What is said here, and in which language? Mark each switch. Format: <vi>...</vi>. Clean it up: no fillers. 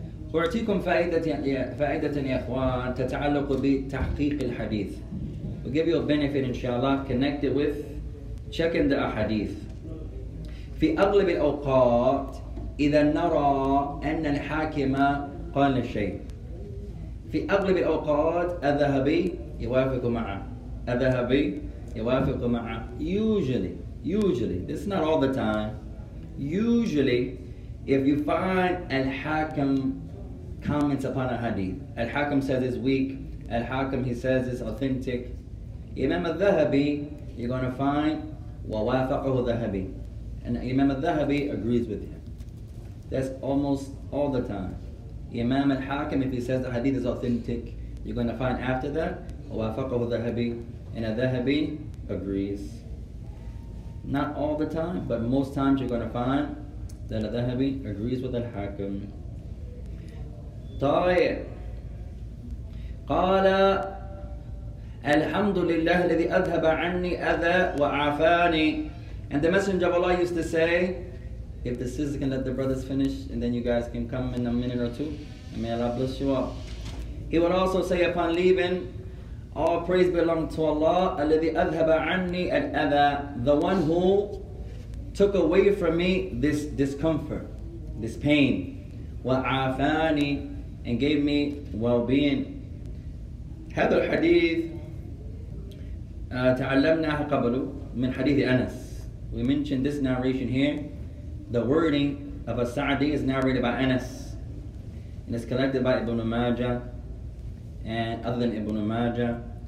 <ar>وَأَعْتِيكُمْ فَائِدَةً يَا أَخْوَانَ تَتَعَلَّقُ بِتَحْقِيقِ الْحَدِيثِ.</ar> <en>We'll give you a benefit, inshallah, connected with checking the ahadith.</en> <ar>في أغلب الأوقات إذا نرى أن الحاكم قال الشيء في أغلب الأوقات الذهبي يوافق معه الذهبي يوافق معه.</ar> <en>Usually this is not all the time. Usually if you find الحاكم comments upon a hadith, الحاكم says it's weak, الحاكم he says it's authentic, Imam الذهبي you're gonna find</en> <ar>ووافقه الذهبي,</ar> <en>and Imam الذهبي agrees with him. That's almost all the time. Imam al-Hakim, if he says the hadith is authentic, you're going to find after that,</en> <ar>وَوَافَقَهُ الذَّهَبِي,</ar> <en>and al-Dhahabi agrees. Not all the time, but most times you're going to find that al-Dhahabi agrees with al-Hakim.</en> <ar>طيب. قال الحمد لله الذي أذهب عني أذى وعافاني.</ar> <en>And the Messenger of Allah used to say, if the sisters can let the brothers finish, and then you guys can come in a minute or two, and may Allah bless you all. He would also say upon leaving, all praise belong to Allah,</en> <ar>الَّذِي أَذْهَبَ عَنِّي الْأَذَى,</ar> <en>the one who took away from me this discomfort, this pain,</en> <ar>وَعَافَانِي,</ar> <en>and gave me well-being.</en> <ar>هذا الحديث تعلمناه قبله من حديث أنس.</ar> <en>We mentioned this narration here. The wording of As-Sa'di is narrated by Anas, and it's collected by Ibn Majah and other than Ibn Majah.</en>